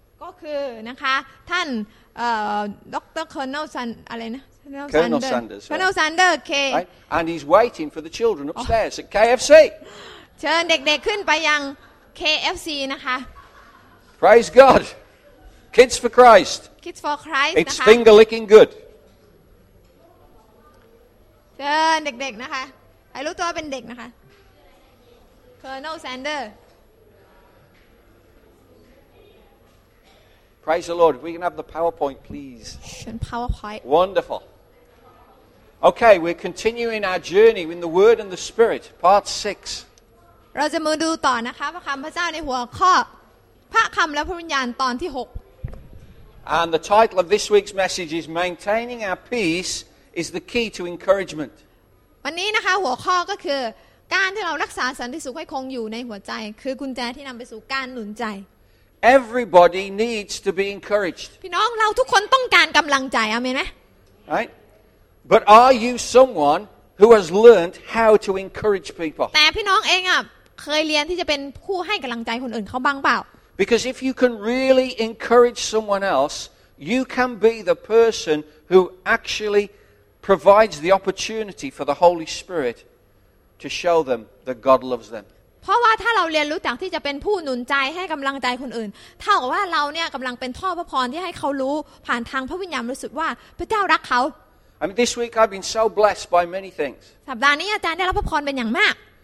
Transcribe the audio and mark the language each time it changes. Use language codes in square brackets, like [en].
[th] ก็คือนะคะท่านดร. Colonel Sanders อะไรนะ [en] Colonel Sanders. Colonel Sanders, okay. Right? And he's waiting for the children upstairs at KFC. [th] เชิญเด็กๆขึ้นไปยัง KFC นะคะ [en] Praise God. Kids for Christ. Kids for Christ. It's finger licking good. [th] เชิญเด็กๆนะคะให้รู้ตัวเป็นเด็กนะคะ Colonel Sanders. [en] Praise the Lord. If we can have the PowerPoint, please. And PowerPoint. Wonderful. Okay, we're continuing our journey in the Word and the Spirit, part 6. [th] เราจะมาดูต่อนะคะพระคำพระเจ้าในหัวข้อพระคำและพระวิญญาณตอนที่6. [en] And the title of this week's message is Maintaining Our Peace is the Key to Encouragement. [th] วันนี้นะคะหัวข้อก็คือการที่เรารักษาสันติสุขให้คงอยู่ในหัวใจคือกุญแจที่นำไปสู่การหนุนใจ [en] Everybody needs to be encouraged. [th] พี่น้องเราทุกคนต้องการกำลังใจอเมนไหม [en] Right? But are you someone who has learned how to encourage people? [th] แต่พี่น้องเองอ่ะเคยเรียนที่จะเป็นผู้ให้กำลังใจคนอื่นเขาบ้างเปล่า [en] Because if you can really encourage someone else, you can be the person who actually provides the opportunity for the Holy Spirit to show them that God loves them. [th] เพราะว่าถ้าเราเรียนรู้จักที่จะเป็นผู้หนุนใจให้กำลังใจคนอื่นเท่ากับว่าเราเนี่ยกำลังเป็นท่อพระพรที่ให้เขารู้ผ่านทางพระวิญญาณบริสุทธิ์ว่าพระเจ้ารักเขา [en] I mean this week I've been so blessed by many things [th] สัปดาห์นี้อาจารย์ได้รับพระพรเป็นอย่างมาก